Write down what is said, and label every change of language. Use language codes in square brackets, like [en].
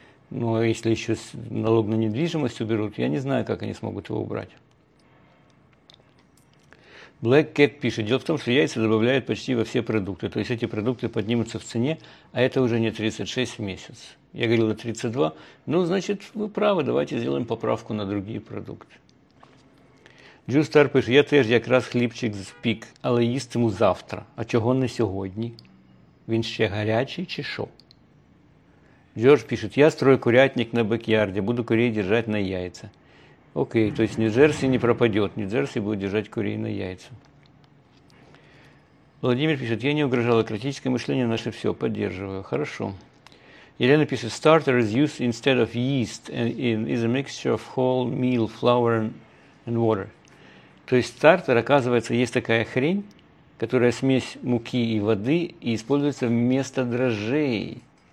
[ru] Но если еще налог на недвижимость уберут, я не знаю, как они смогут его убрать. Black Cat пишет, дело в том, что яйца добавляют почти во все продукты. То есть эти продукты поднимутся в цене, а это уже не 36 в месяц. Я говорил на 32. Ну, значит, вы правы, давайте сделаем поправку на другие продукты. [uk] Джустар пише, я теж якраз хлібчик спік, але їстиму завтра. А чого не сьогодні? Він ще гарячий чи що? Джордж пише, я строю курятник на бекярді, буду курей держати на яйця. Окей, то есть Нью-Джерсі не пропаде, Нью-Джерсі буде держати курей на яйця. Володимир пише, [ru] я не угрожала, критическое мышление наше все, поддерживаю. Хорошо. [uk] Елена пише, [en] starter is used instead of yeast and is a mixture of whole meal, flour and water. [ru] То есть стартер, оказывается, есть такая хрень, которая смесь муки и воды и используется вместо дрожжей.